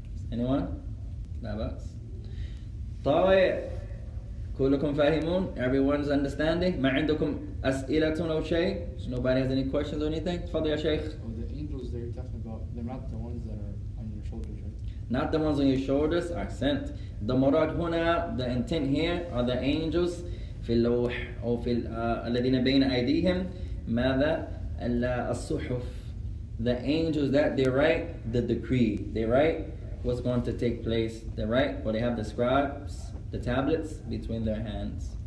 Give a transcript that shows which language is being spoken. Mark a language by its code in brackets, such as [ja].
[en] Anyone? Labas. طيب. [ar] كلكم فاهمون. [en] Everyone's understanding. [ar] ما عندكم أسئلة أو شيء. [en] So nobody has any questions or anything. [ar] تفضل يا شيخ. [en] Oh, the angels they're talking about, they're not the ones that are. Not the ones on your shoulders, accent. The murad huna, the intent here, are the angels. [ar] في اللوح أو في الذين بين أيديهم ماذا الصحف. [en] The angels that they write the decree. They write what's going to take place. They write what they have, the scribes, the tablets between their hands.